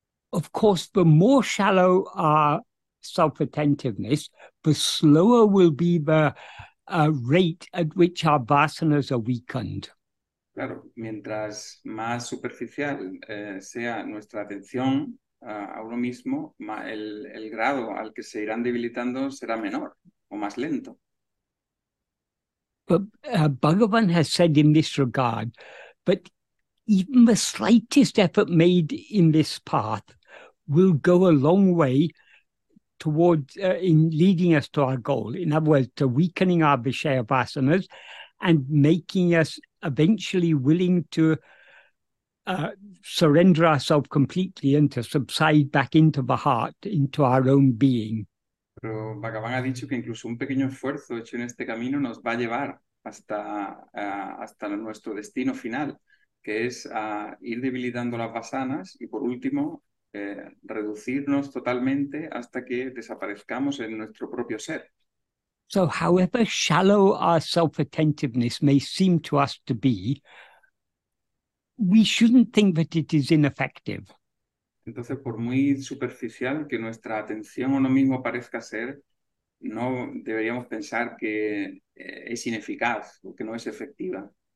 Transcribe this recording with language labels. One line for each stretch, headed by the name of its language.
English: Of course, the more shallow our self-attentiveness, the slower will be the rate at which our vasanas are weakened.
Spanish: Claro, mientras más superficial sea nuestra atención a uno mismo, el grado al que se irán debilitando será menor o más lento.
English: But Bhagavan has said in this regard, but even the slightest effort made in this path will go a long way towards in leading us to our goal, in other words, to weakening our vishaya-vasanas and making us eventually willing to surrender ourselves completely and to subside back into the heart, into our own being.
Spanish: Pero Bhagavan ha dicho que incluso un pequeño esfuerzo hecho en este camino nos va a llevar hasta nuestro destino final, que es ir debilitando las vasanas y por último reducirnos totalmente hasta que desaparezcamos en nuestro propio ser.
English: So however shallow our self-attentiveness may seem to us to be, we shouldn't think that it is ineffective.
Spanish: Entonces, por muy superficial que nuestra atención a uno mismo parezca ser, no deberíamos pensar que es ineficaz o que no es efectiva.